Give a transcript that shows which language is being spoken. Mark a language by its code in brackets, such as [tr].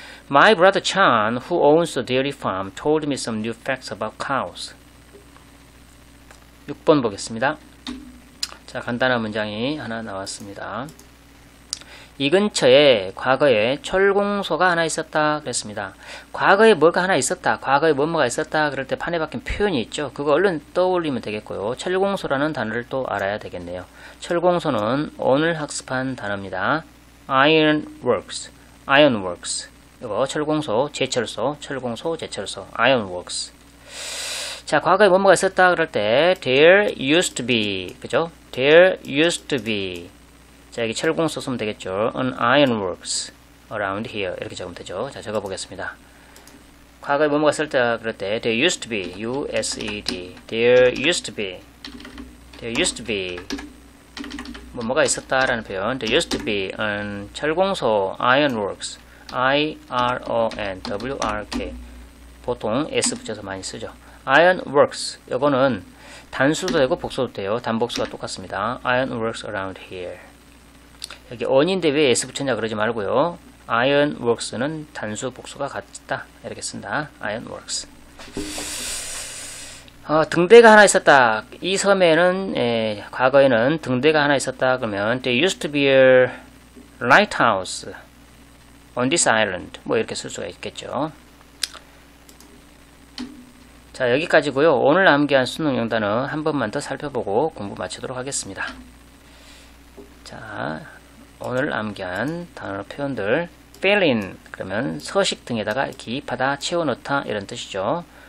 [en] My brother Chan, who owns a dairy farm, told me some new facts about cows. [ko] 6번 보겠습니다. 자, 간단한 문장이 하나 나왔습니다. 이 근처에 과거에 철공소가 하나 있었다 그랬습니다. 과거에 뭐가 하나 있었다, 과거에 뭐뭐가 있었다 그럴 때 판에 박힌 표현이 있죠. 그거 얼른 떠올리면 되겠고요. 철공소라는 단어를 또 알아야 되겠네요. 철공소는 오늘 학습한 단어입니다. [en] Iron works, iron works. [ko] 이거 철공소, 제철소, 철공소, 제철소, [en] iron works. [ko] 자, 과거에 뭐뭐가 있었다 그럴 때 [en] there used to be, [ko] 그죠? [en] There used to be. [ko] 자, 여기 철공소 쓰면 되겠죠. [en] An iron works around here. [ko] 이렇게 적으면 되죠. 자, 적어보겠습니다. 과거에 뭐뭐가 있을 때 그럴 때 [en] there used to be, used. There used to be. There used to be. [ko] 뭐뭐가 있었다라는 표현. [en] There used to be an 철공소, iron works. I-R-O-N-W-R-K. [ko] 보통 S 붙여서 많이 쓰죠. [en] Iron works. [ko] 이거는 단수도 되고 복수도 돼요. 단복수가 똑같습니다. [en] Iron works around here. [ko] 여기 on인데 왜 S 붙였냐 그러지 말고요. Iron works는 단수 복수가 같다. 이렇게 쓴다. Iron works. 등대가 하나 있었다. 이 섬에는, 예, 과거에는 등대가 하나 있었다. [en] 그러면 there used to be a lighthouse on this island. [ko] 뭐 이렇게 쓸 수가 있겠죠. 자, 여기까지고요. 오늘 암기한 수능 영단어 한 번만 더 살펴보고 공부 마치도록 하겠습니다. 자, 오늘 암기한 단어 표현들. fill in, 그러면 서식 등에다가 기입하다, 채워넣다 이런 뜻이죠.